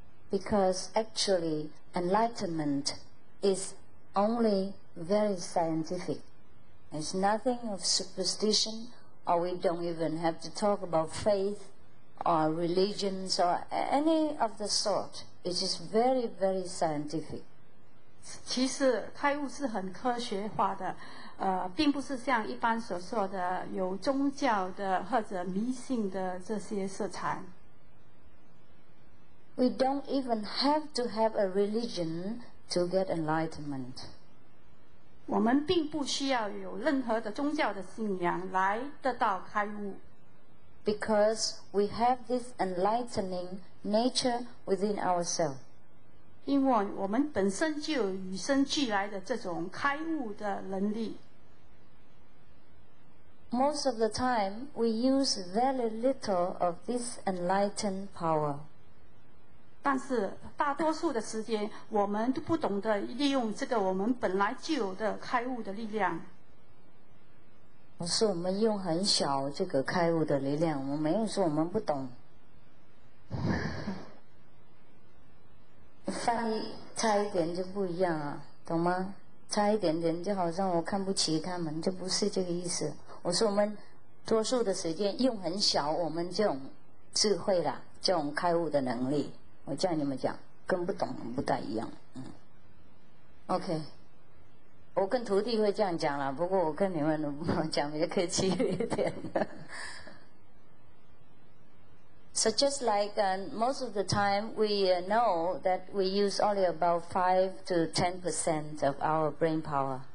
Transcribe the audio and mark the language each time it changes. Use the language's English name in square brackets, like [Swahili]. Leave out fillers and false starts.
[English] Because actually, enlightenment is only very scientific. It's nothing of superstition. Or we don't even have to talk about faith or religions or any of the sort. It is very, very scientific. [Chinese] 其实开悟是很科学化的，并不是像一般所说的有宗教的或者迷信的这些色彩。 [English] We don't even have to have a religion to get enlightenment. [Chinese] 我们并不需要有任何的宗教的信仰来得到开悟。 [English] Because we have this enlightening nature within ourselves. [Chinese] 因为我们本身就有与生俱来的这种开悟的能力。 [English] Most of the time, we use very little of this enlightened power. [Chinese] 但是大多数的时间，我们都不懂得利用这个我们本来就有的开悟的力量。不是我们用很小这个开悟的力量，我没有说我们不懂。翻译差一点就不一样啊，懂吗？差一点点就好像我看不起他们，就不是这个意思。我说我们多数的时间用很小我们这种智慧啦，这种开悟的能力，我叫你们讲跟不懂不太一样。 OK， 我跟徒弟会这样讲啦，不过我跟你们讲比较客气一点。 [English] So just like most of the time we know that we use only about 5-10% of our brain power.